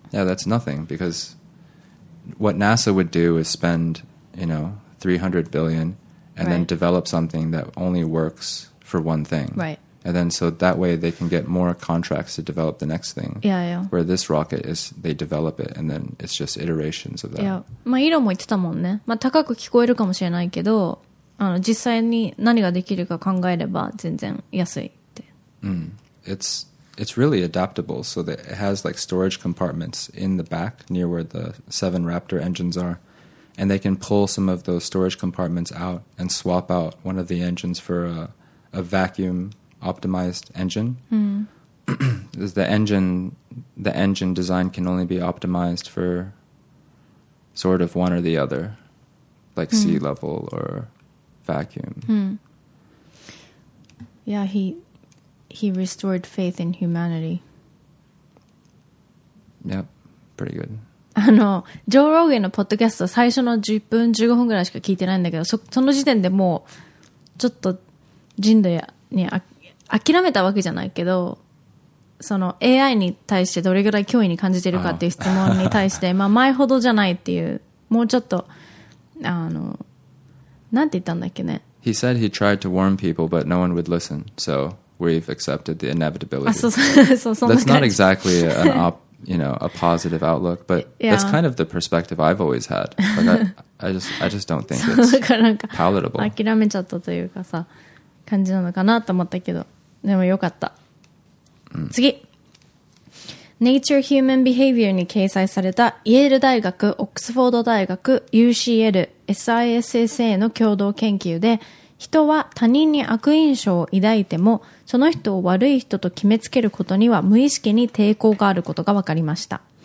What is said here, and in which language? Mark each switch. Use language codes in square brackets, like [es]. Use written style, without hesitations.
[en] Yeah, that's nothing, because what NASA would do is spend, you know, 300 billion and then develop something that only works for one thing. Right. And then so that way they can get more contracts to develop the next thing. Yeah, yeah. Where this rocket is, they develop it and then it's just iterations of that. Yeah. [ja] まあ、イーロンも言ってたもんね。まあ、高く聞こえるかもしれないけど、あの、実際に何ができるか考えれば全然安いって。 [en] It's really adaptable. So that it has like storage compartments in the back near where the 7 Raptor engines are. And they can pull some of those storage compartments out and swap out one of the engines for a vacuum-optimized engine. the engine design can only be optimized for sort of one or the other, like sea level or vacuum. Yeah, he restored faith in humanity. Yep, pretty good. [ja] あのジョー・ローゲンのポッドキャスト最初の10分15分ぐらいしか聞いてないんだけど その時点でもうちょっと人類に諦めたわけじゃないけどその AI に対してどれぐらい脅威に感じてるかっていう質問に対して、まあ、前ほどじゃないっていうもうちょっとあのなんて言ったんだっけね [en] He said he tried to warn people but no one would listen so we've accepted the inevitability [ja] あそうそうそうそんな感じ [en] That's not exactly an op you know, a positive outlook, but that's kind of the perspective I've always had. Like I just don't think it's palatable. [ja] 諦めちゃったというかさ、感じなのかなと思ったけど、でもよかった。次。Nature Human Behavior に掲載されたイェール大学、オックスフォード大学、UCL、SISSA の共同研究で、人は他人に悪印象を抱いても、その人を悪い人と決めつけることには無意識に抵抗があることが分かりました。